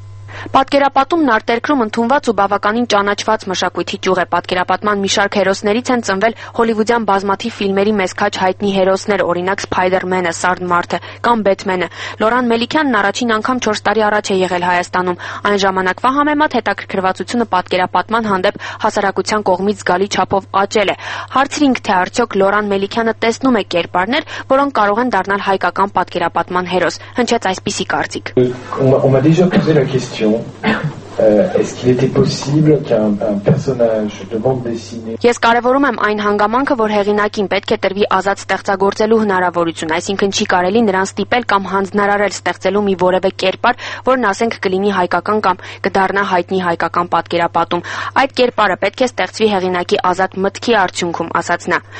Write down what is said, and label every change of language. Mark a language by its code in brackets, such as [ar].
[hy] Պատկերապատումն արտերկրում ընդունված ու բավականին ճանաչված մշակույթի ճյուղ է։ Պատկերապատման մի շարք հերոսներից են ծնվել հոլիվուդյան բազմաթիվ ֆիլմերի մեզքաչ հայտնի հերոսներ, օրինակ Սփայդերմենը, Սարդ Մարթը կամ Բեթմենը։ Լորան Մելիքյանն առաջին անգամ 4 տարի առաջ է եղել Հայաստանում։ Այն ժամանակվա համեմատ հետաքրքրվածությունը պատկերապատման հանդեպ հասարակության կողմից զգալի չափով աճել է։ Հարցրինք, թե արդյոք Լորան Մելիքյանը տեսնում է կերպարներ, որոնք կարող են դառնալ հայկական պատկերապատման հերոս։ Հնչեց այսպիսի կարծիք. [fr] Est-ce qu'il était possible qu'un personnage de bande dessinée? [hy] Ես կարևորում եմ այն հանգամանքը, որ հեղինակին պետք է տրվի ազատ ստեղծագործելու հնարավորություն, այսինքն չի կարելի նրան ստիպել կամ հանձնարարել ստեղծելու մի որևէ կերպար, որն ասենք կլինի հայկական կամ կդառնա հայտնի հայկական պատկերապատում։ Այդ կերպարը պետք է ստեղծվի հեղինակի ազատ մտքի արդյունքում, ասաց նա։